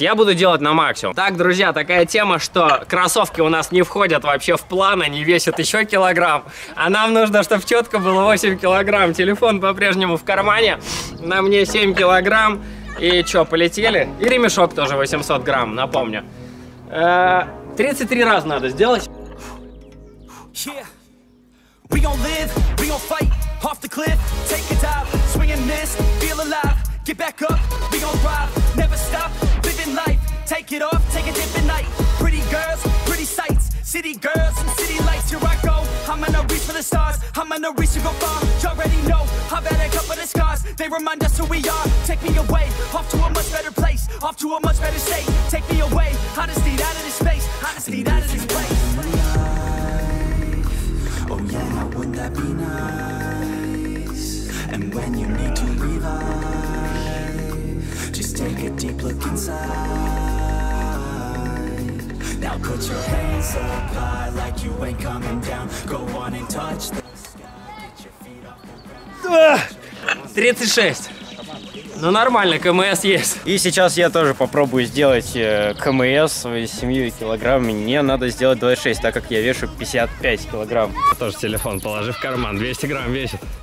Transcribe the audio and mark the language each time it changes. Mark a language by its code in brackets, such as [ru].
[ru] Я буду делать на максимум. Так, друзья, такая тема, что кроссовки у нас не входят вообще в план, они весят еще килограмм. А нам нужно, чтобы четко было 8 килограмм. Телефон по-прежнему в кармане. На мне 7 килограмм. И что, полетели? И ремешок тоже 800 грамм, напомню. 33 раза надо сделать. [en] Yeah, we gon' live, we gon' fight, off the cliff, take a dive, swing and miss, feel alive, get back up, we gon' ride, never stop, living life, take it off, take a dip at night, pretty girls, pretty sights, city girls and city lights, here I go, I'm gonna reach for the stars, I'm gonna reach to go far, you already know, I've had a couple of scars, they remind us who we are, take me away, off to a much better place, off to a much better state, take me away, I just need out of this space, I just need out of this place. Oh yeah, wouldn't that be nice? And when you need to revive, just take a deep look inside. Now put your hands up high like you ain't coming down. Go on and touch the sky, get your feet off the ground. [ru] 36. Ну нормально, КМС есть. И сейчас я тоже попробую сделать КМС с 7 килограммами. Мне надо сделать 26, так как я вешу 55 килограмм. Тоже телефон положи в карман, 200 грамм весит.